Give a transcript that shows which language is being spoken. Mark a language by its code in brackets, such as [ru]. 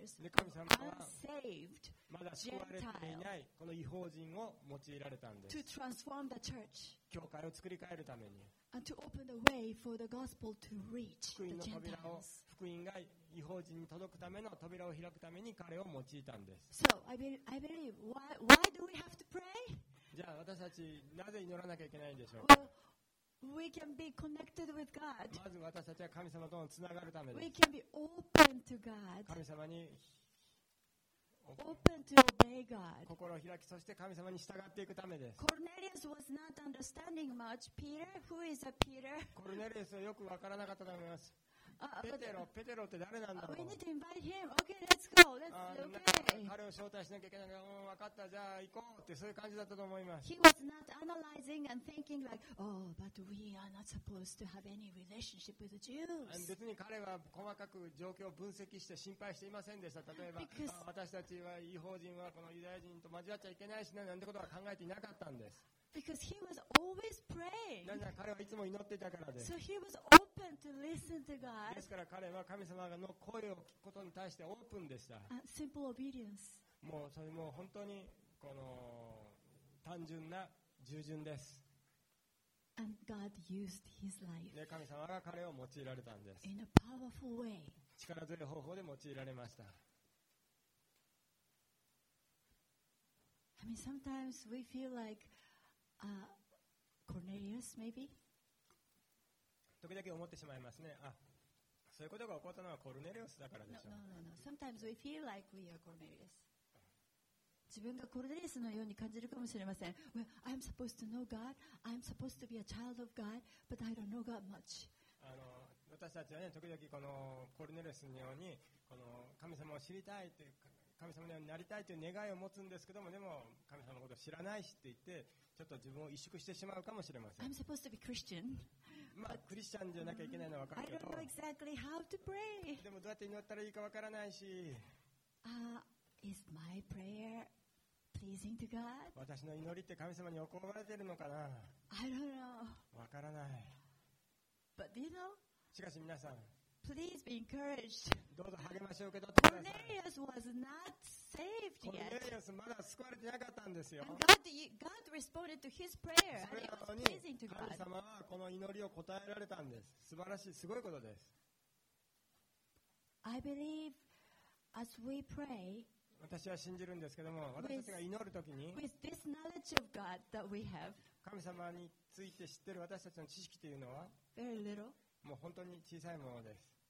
[ja] 神様はまだ救われていないこの異邦人を用いられたんです。教会を作り変えるために、福音の扉を、福音が異邦人に届くための扉を開くために彼を用いたんです。 [en] So I believe, why do we have to pray? [ja] じゃあ私たちなぜ祈らなきゃいけないんでしょうか。 [en] We can be connected with God. [ja] まず私たちは神様とのつながるためです。 [en] We can be open to God. [ja] 神様に [en] Open to obey God. [ja] 心を開き、そして神様に従っていくためです。 [en] Cornelius was not understanding much. Peter, who is a Peter? [ja] コルネリウスはよくわからなかったと思います。ペテロって誰なんだろう。 [en] We need to invite him. Okay, let's go. [ja] 彼を招待しなきゃいけないから、分かった、じゃあ行こうってそういう感じだったと思います。 [en] He was not analyzing and thinking like, oh, but we are not supposed to have any relationship with Jews. [ja] 別に彼は細かく状況を分析して心配していませんでした。例えば、私たちは異邦人はこのユダヤ人と交わっちゃいけないしなんてことは考えていなかったんです。 [en] Because he was always praying. [ja] 彼はいつも祈ってたからです。 [en] So he was open to listen to God. [ja] ですから彼は神様の声を聞くことに対してオープンでした。 [en] Simple obedience. [ja] もうそれも本当にこの単純な従順です。 [en] And God used his life. [ja] で神様が彼を用いられたんです。 [en] In a powerful way. [ja] 力強い方法で用いられました。 [en] I mean, sometimes we feel like Cornelius, maybe. [ja] 時々思ってしまいますね。あ、そういうことが起こったのはコルネリウスだからでしょう。 [en] No. Sometimes we feel like we are Cornelius. [ja] 自分がコルネリウスのように感じるかもしれません。 [en] Well, I'm supposed to know God. I'm supposed to be a child of God. But I don't know God much. [ja] 私たちはね、時々このコルネリウスのようにこの神様を知りたいという神様のようになりたいという願いを持つんですけども、でも神様のことを知らないしって言って、ちょっと自分を萎縮してしまうかもしれません。 [en] I'm supposed to be Christian. [ja] まあクリスチャンじゃなきゃいけないのは分かるけど。 [en] I don't know exactly how to pray. [ja] でもどうやって祈ったらいいか分からないし。 [en] Is my prayer pleasing to God? [ja] 私の祈りって神様に喜ばれてるのかな。 [en] I don't know. [ja] 分からない。 [en] But do you know? [ja] しかし皆さん。 [en] Please be encouraged. [ja] どうぞ励ましを受け取ってください。 [en] Cornelius was not saved yet. [ja] Cornelius まだ救われてなかったんですよ。 [en] God responded to his prayer. [ja] それなのに神様はこの祈りを答えられたんです。素晴らしい、すごいことです。 [en] I believe as we pray, [ja] 私は信じるんですけども、私たちが祈るときに、 [en] with this knowledge of God that we have, [ja] 神様について知ってる私たちの知識というのは、 [en] very little. [ja] もう本当に小さいものです。